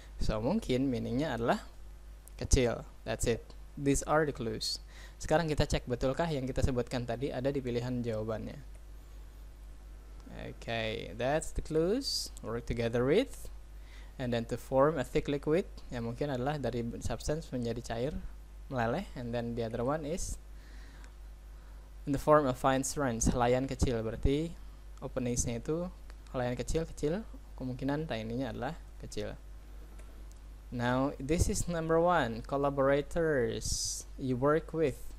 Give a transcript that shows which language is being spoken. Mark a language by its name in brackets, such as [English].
[English] So [Indonesian] mungkin meaningnya adalah kecil. [English] That's it. These are the clues. [Indonesian] Sekarang kita cek betulkah yang kita sebutkan tadi ada di pilihan jawabannya. [English] Okay, that's the clues. Work together with, and then to form a thick liquid, [Indonesian] yang mungkin adalah dari substance menjadi cair, meleleh. [English] And then the other one is in the form of fine strands, [Indonesian] helaian kecil. Berarti openingsnya itu helaian kecil, kecil. Kemungkinan tiny-nya adalah kecil. [English] Now, this is number one, collaborators you work with.